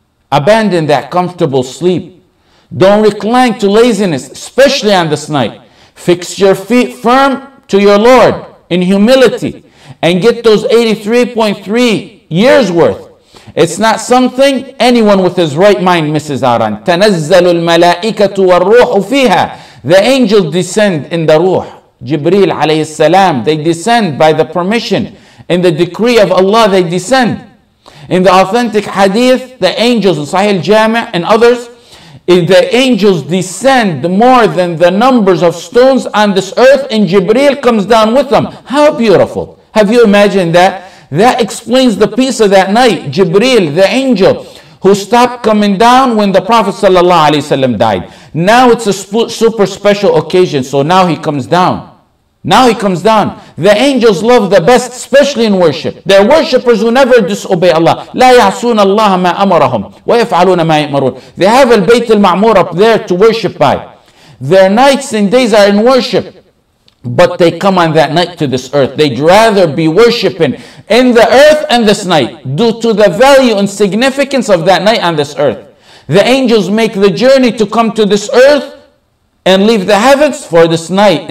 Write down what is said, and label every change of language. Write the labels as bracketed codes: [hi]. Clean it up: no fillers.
[en] Abandon that comfortable sleep. Don't recline to laziness, especially on this night. Fix your feet firm to your Lord in humility and get those 83.3 years worth. It's not something anyone with his right mind misses out on. [ar] تنزل الملائكة والروح فيها. [en] The angels descend in the ruh. Jibreel alayhi salam. They descend by the permission. In the decree of Allah, they descend. In the authentic hadith, the angels in Sahih al-Jami' and others, if the angels descend more than the numbers of stones on this earth, and Jibreel comes down with them. How beautiful. Have you imagined that? That explains the peace of that night. Jibreel, the angel who stopped coming down when the Prophet sallallahu alaihi wasallam died. Now it's a super special occasion, so now he comes down. Now he comes down. The angels love the best, especially in worship. They're worshippers who never disobey Allah. [ar] لا يعصون الله ما أمرهم ويفعلون ما يأمرون. [en] They have al-Bayt al-Ma'mur up there to worship by. Their nights and days are in worship. But they come on that night to this earth. They'd rather be worshipping in the earth and this night due to the value and significance of that night on this earth. The angels make the journey to come to this earth and leave the heavens for this night.